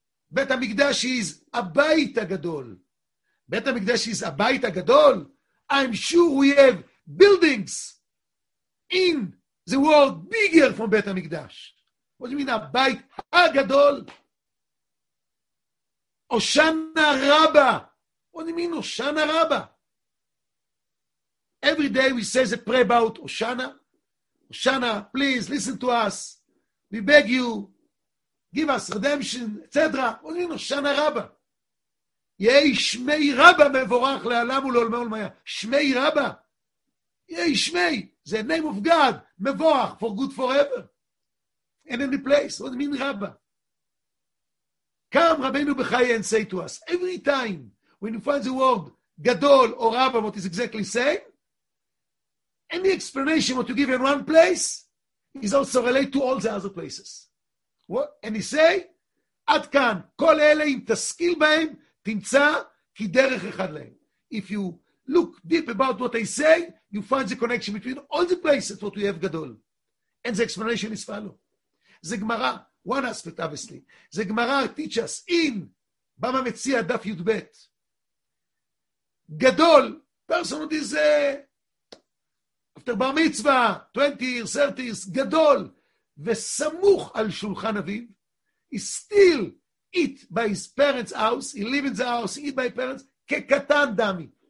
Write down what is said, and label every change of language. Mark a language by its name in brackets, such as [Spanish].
[Hebrew] בית המקדש is הבית הגדול. בית המקדש is הבית הגדול. [English] I'm sure we have buildings in the world bigger from בית המקדש. [Hebrew] מה זה מין הבית הגדול? הושענא רבה. מה זה מין הושענא רבה? [English] Every day we say the prayer about הושענא. הושענא, please listen to us. We beg you. Give us redemption, etc. [Hebrew] אומרים, הושענא רבה. יהי שמי רבה מבורך לעולם ולעולם ולמיה. שמי רבה. יהי שמי. [English] The name of God. מבורך. For good forever. In any place. What do you mean, רבה? Come, רבינו בחיי, and say to us. Every time when you find the word גדול or רבה, what is exactly saying? Any explanation what you give in one place is also related to all the other places. What? And he say, [Hebrew] עד כאן, כל אלה אם תשכיל בהם, תמצא כי דרך אחד להם. [English] If you look deep about what I say, you find the connection between all the places what we have גדול. And the explanation is follow. The Gemara, one aspect obviously, the Gemara teach us in, במה מציע דף י' ב', גדול, person who is after בר מצווה, 20 years, 30 years, גדול, [Hebrew] וסמוך על שולחן אביו, [English] he still eat by his parents' house, he live in the house, he eat by his parents, [Hebrew] כקטן דמי.